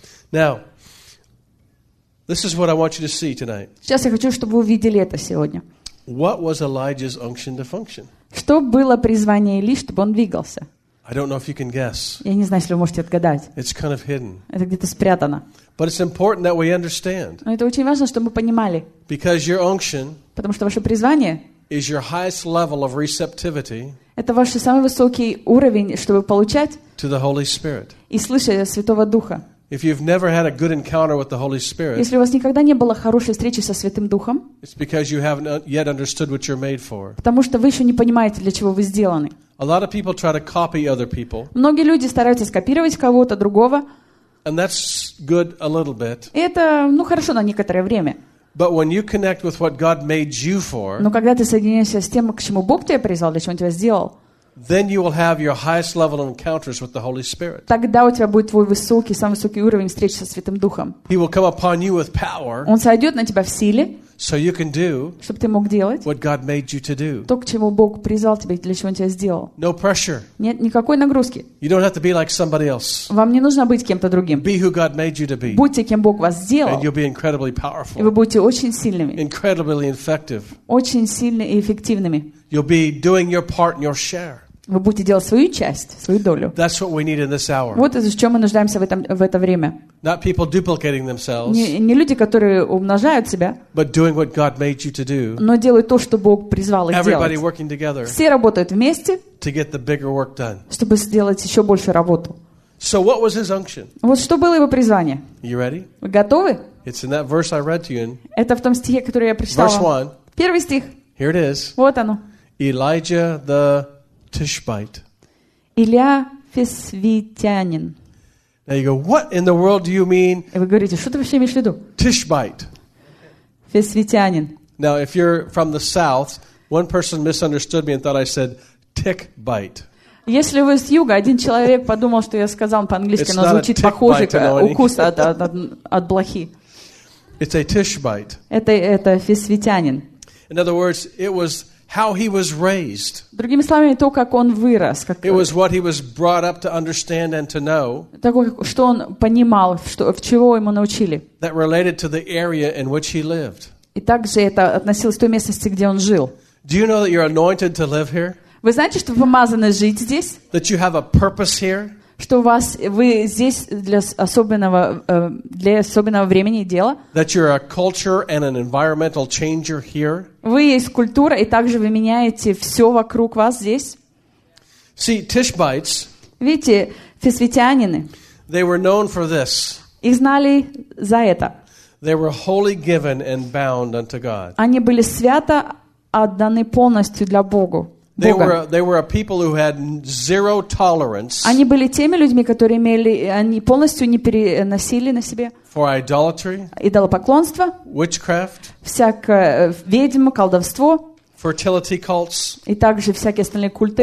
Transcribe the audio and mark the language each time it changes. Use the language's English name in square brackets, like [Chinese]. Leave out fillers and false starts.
[English] Now, this is what I want you to see tonight. [Russian] Сейчас я хочу, чтобы вы увидели это сегодня. [English] What was Elijah's unction to function? [Russian] Что было призвание Илии, чтобы он двигался? [English] I don't know if you can guess. [Russian] Я не знаю, если вы можете отгадать. [English] It's kind of hidden. [Russian] Это где-то спрятано. [English] But it's important that we understand. [Russian] Но это очень важно, чтобы мы понимали. [English] Because your unction. [Russian] Потому что ваше призвание. [English] Is your highest level of receptivity. [Russian] Это ваш самый высокий уровень, чтобы получать. [English] To the Holy Spirit. [Russian] И слышать Святого Духа. [English] If you've never had a good encounter with the Holy Spirit. [Russian] Если у вас никогда не было хорошей встречи со Святым Духом. [English] It's because you haven't yet understood what you're made for. [Russian] Потому что вы еще не понимаете, для чего вы сделаны. [English] A lot of people try to copy other people. [Russian] Многие люди стараются скопировать кого-то другого. [English] And that's good a little bit. [Russian] Это, ну, хорошо на некоторое время. [English] But when you connect with what God made you for. [Russian] Но когда ты соединяешься с тем, к чему Бог тебя призвал, для чего он тебя сделал. [English] Then you will have your highest level of encounters with the Holy Spirit. [Russian] Тогда у тебя будет твой высокий, самый высокий уровень встречи со Святым Духом. [English] He will come upon you with power. [Russian] Он сойдет на тебя в силе. [English] So you can do. [Russian] Чтобы ты мог делать. [English] What God made you to do. [Russian] То, к чему Бог призвал тебя, для чего он тебя сделал. [English] No pressure. [Russian] Нет никакой нагрузки. [English] You don't have to be like somebody else. [Russian] Вам не нужно быть кем-то другим. [English] Be who God made you to be. [Russian] Будьте кем Бог вас сделал. [English] And you'll be incredibly powerful. [Russian] И вы будете очень сильными. [English] Incredibly effective. [Russian] Очень сильными и эффективными. [English] You'll be doing your part and your share. [Russian] Вы будете делать свою часть, свою долю. [English] That's what we need in this hour. [Russian] Вот из-за чего мы нуждаемся в это время. [English] Not people duplicating themselves, [Russian] не люди, которые умножают себя, [English] but doing what God made you to do, [Russian] но делают то, что Бог призвал их [English] everybody [Russian] делать. [English] Working together, [Russian] все работают вместе, [English] to get the bigger work done. [Russian] Чтобы сделать еще больше работу. [English] So what was his unction? [Russian] Вот что было его призвание. [English] You ready? [Russian] Вы готовы? [English] It's in that verse I read to you in, [Russian] это в том стихе, который я прочитал [English] verse 1. [Russian] Первый стих. [English] Here it is. [Russian] Вот оно. [English] Elijah the Tishbite. [Russian] Илия Фесвитянин. [English] Now you go, what in the world do you mean? [Russian] И вы говорите, что ты вообще имеешь в виду? [English] Tishbite. [Russian] Фесвитянин. [English] Now, if you're from the south, one person misunderstood me and thought I said tick bite. [Russian] Если вы с юга, один человек подумал, что я сказал по-английски, но звучит похоже как укус от блохи. [English] It's a tish bite. [Russian] Это фесвитянин. [English] In other words, it was how he was raised. [Russian] Другими словами, то, как он вырос. Как... [English] It was what he was brought up to understand and to know. [Russian] Такое, что он понимал, что, в чего ему научили. [English] That related to the area in which he lived. [Russian] И также это относилось к той местности, где он жил. [English] Do you know that you're anointed to live here? [Russian] Вы знаете, что вы помазаны жить здесь? [English] That you have a purpose here? [Russian] Что у вас, вы здесь для особенного времени и дела? [English] That you're a culture and an environmental changer here? [Russian] Вы есть культура, и также вы меняете все вокруг вас здесь. [English] See, Tishbites, [Russian] видите, фесвитянины, [English] they were known for this. [Russian] Их знали за это. [English] They were wholly given and bound unto God. [Russian] Они были свято отданы полностью для Бога. [English] They were a people who had zero tolerance. [Russian] Они были теми людьми, которые имели, они полностью не переносили на себе. [English] For idolatry. [Russian] Идолопоклонство. [English] Witchcraft. [Russian] Всякое ведьмо, колдовство. [English] Fertility cults. [Russian] И также всякие остальные культы.